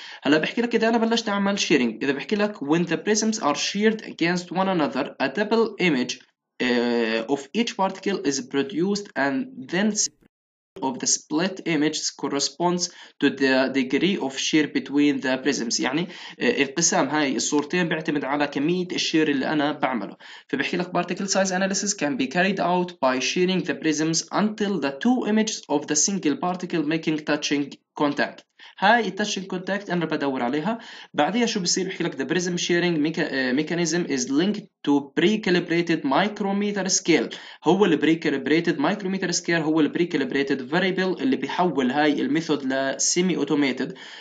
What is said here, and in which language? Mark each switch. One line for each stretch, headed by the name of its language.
Arabic: هلا بحكي لك اذا انا بلشت اعمل شيرنج، اذا بحكي لك
English: when the prisms are sheared against one another a double image of each particle is produced and then of the split image corresponds to the degree of shear between the prisms.
Arabic: يعني انقسام هاي الصورتين بيعتمد على كمية الشير اللي أنا بعمله. فبحكي لك
English: particle size analysis can be carried out by shearing the prisms until the two images of the single particle making touching contact.
Arabic: هاي التاتشنج كونتاكت انا بدور عليها. بعديها شو بصير؟ بحكي لك
English: The prism sharing mechanism is link to pre calibrated micrometer scale.
Arabic: هو البري كاليبريتد مايكرومتر سكيل هو البري كاليبريتد فاريبل اللي بيحول هاي الميثود لسيمي اوتوميتد.